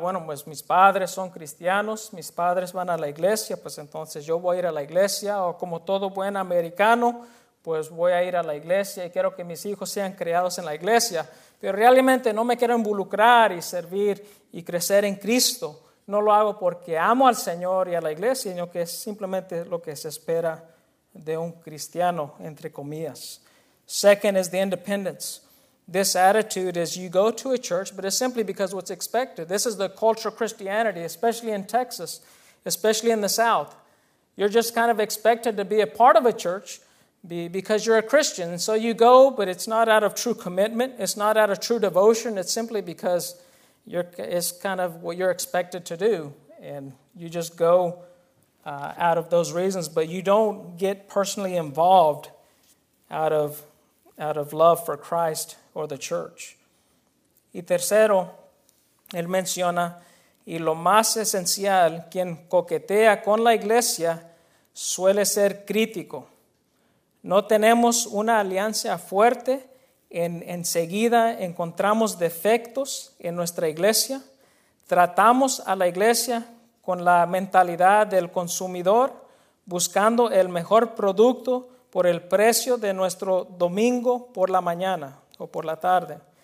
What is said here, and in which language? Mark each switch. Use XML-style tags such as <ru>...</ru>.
<es>Bueno, pues mis padres son cristianos, mis padres van a la iglesia, pues entonces yo voy a ir a la iglesia, o como todo buen americano, pues voy a ir a la iglesia y quiero que mis hijos sean criados en la iglesia, pero realmente no me quiero involucrar y servir y crecer en Cristo. No lo hago porque amo al Señor y a la iglesia, sino que es simplemente lo que se espera de un cristiano, entre comillas.</es> <en>Second is the independence. This attitude is you go to a church, but it's simply because what's expected. This is the culture of Christianity, especially in Texas, especially in the South. You're just kind of expected to be a part of a church because you're a Christian. So you go, but it's not out of true commitment. It's not out of true devotion. It's simply because it's kind of what you're expected to do. And you just go out of those reasons, but you don't get personally involved out of love for Christ or the church.</en> <es>Y tercero, él menciona, y lo más esencial, quien coquetea con la iglesia suele ser crítico. No tenemos una alianza fuerte, enseguida encontramos defectos en nuestra iglesia, tratamos a la iglesia con la mentalidad del consumidor, buscando el mejor producto por el precio de nuestro domingo por la mañana o por la tarde.</es>